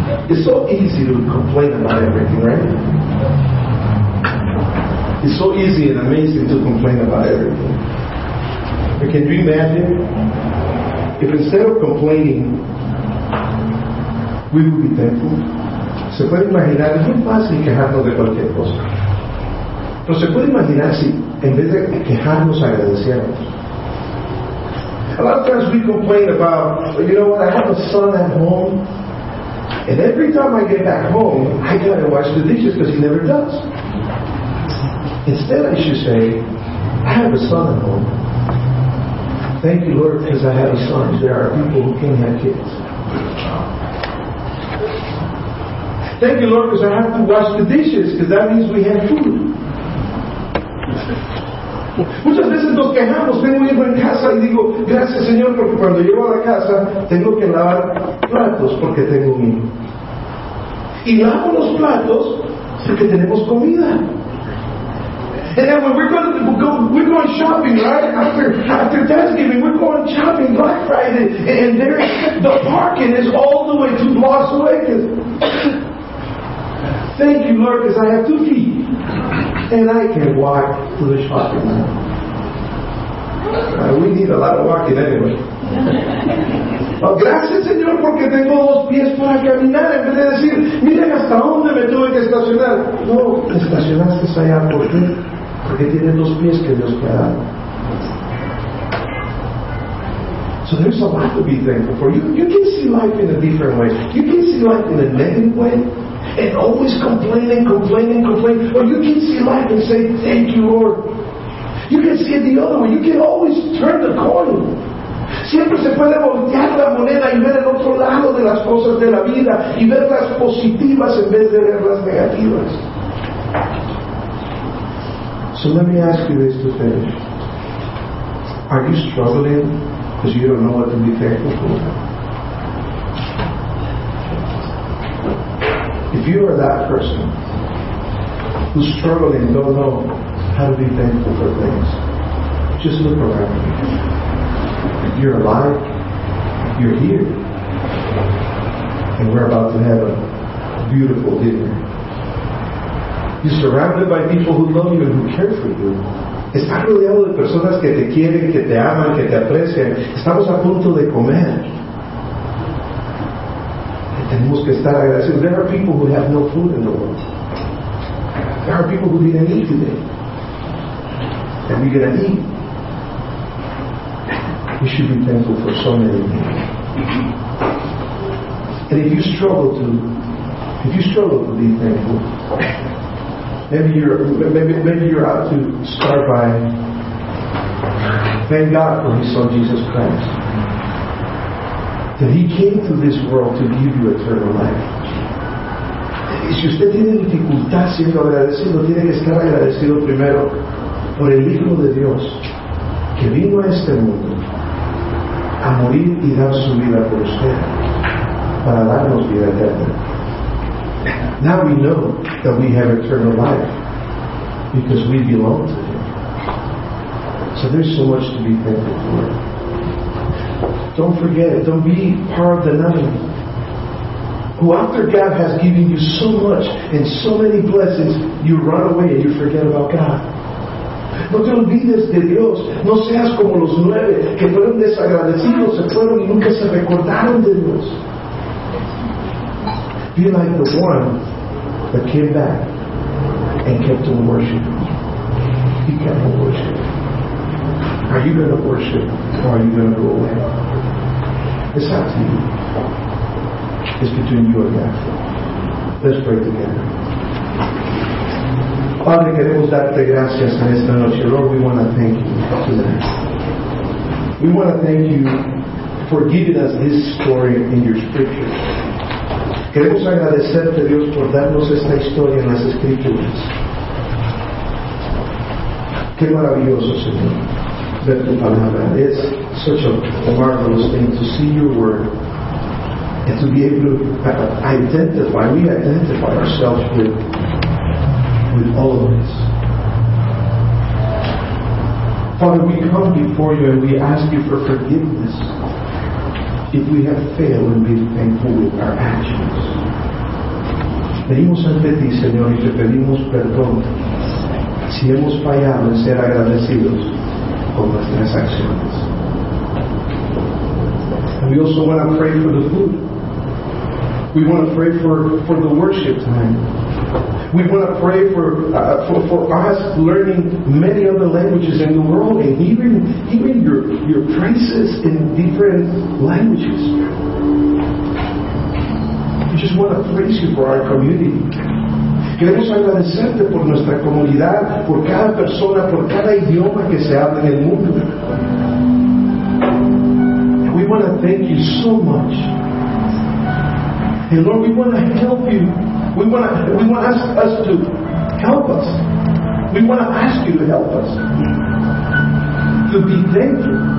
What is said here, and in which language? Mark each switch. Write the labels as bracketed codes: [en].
[en] It's so easy to complain about everything, right? It's so easy and amazing to complain about everything. But can you imagine if instead of complaining, we would be thankful? [es] Se puede imaginar, es muy fácil quejarnos de cualquier cosa. Pero se puede imaginar si en vez de quejarnos, agradeciéramos. [en] A lot of times we complain about, you know what, I have a son at home, and every time I get back home, I gotta wash the dishes because he never does. Instead, I should say, I have a son at home. Thank you, Lord, because I have a son. There are people who can't have kids. Thank you, Lord, because I have to wash the dishes, because that means we have food. [es] Muchas veces nos quejamos, tengo un hijo en casa y digo, gracias, Señor, porque cuando llego a la casa tengo que lavar platos porque tengo un hijo. Y lavo los platos porque tenemos comida. [en] And then when we're going shopping, right? After Thanksgiving, we're going shopping Black Friday, and there the parking is all the way 2 blocks away. Thank you, Lord, because I have 2 feet and I can walk to the shopping mall. We need a lot of walking anyway. [es] Gracias, Señor, porque tengo dos pies para caminar, en vez de decir, miren hasta dónde me tuve que estacionar. No, te estacionaste allá, ¿por qué? Porque tienes dos pies que Dios te ha dado. [en] So there's a lot to be thankful for. You can see life in a different way. You can see life in a negative way and always complaining. Or you can see life and say, thank you, Lord. You can see it the other way. You can always turn the coin. [es] Siempre se puede voltear la moneda y ver el otro lado de las cosas de la vida y ver las positivas en vez de ver las negativas. [en] So let me ask you this to finish. Are you struggling because you don't know what to be thankful for? If you are that person who's struggling and don't know how to be thankful for things, just look around you. You're alive, you're here, and we're about to have a beautiful dinner. You're surrounded by people who love you and who care for you. [es] Estás rodeado de personas que te quieren, que te aman, que te aprecian. Estamos a punto de comer. Tenemos que estar agradecidos. [en] There are people who have no food in the world. There are people who didn't eat today. And we're going to eat. We should be thankful for so many things. And if you struggle to be thankful, maybe you're out to start by thank God for His Son Jesus Christ, that He came to this world to give you eternal life. [es] Y si usted tiene dificultad siendo agradecido, tiene que estar agradecido primero por el Hijo de Dios que vino a este mundo a morir y dar su vida por usted para darnos vida eterna. [en] Now we know that we have eternal life because we belong to Him. So there's so much to be thankful for. Don't forget it. Don't be part of the nothing. Who, after God has given you so much and so many blessings, you run away and you forget about God. [es] No te olvides de Dios. No seas como los nueve que fueron desagradecidos, se fueron y nunca se recordaron de Dios. [en] Be like the one that came back and kept on worshiping. He kept on worshiping. Are you going to worship or are you going to go away? It's up to you. It's between you and God. Let's pray together. [es] Padre, queremos darte gracias en esta noche. [en] Lord, we want to thank you today. We want to thank you for giving us this story in your scriptures. [es] Queremos agradecerte, Dios, por darnos esta historia en las Escrituras. Qué maravilloso, Señor, ver tu palabra. [en] It's such a marvelous thing to see your word and to be able to identify ourselves with all of this. Father, we come before you and we ask you for forgiveness if we have failed in being thankful with our actions. [es] Venimos ante ti, Señor, y te pedimos perdón si hemos fallado en ser agradecidos con nuestras acciones. [en] And we also want to pray for the food. We want to pray for the worship time. We want to pray for us learning many other languages in the world and hearing your praises in different languages. We just want to praise you for our community. [es] Queremos agradecerte por nuestra comunidad, por cada persona, por cada idioma que se habla en el mundo. [en] And we want to thank you so much. And Lord, we want to help you. We want to ask us to help us. We want to ask you to help us to be thankful.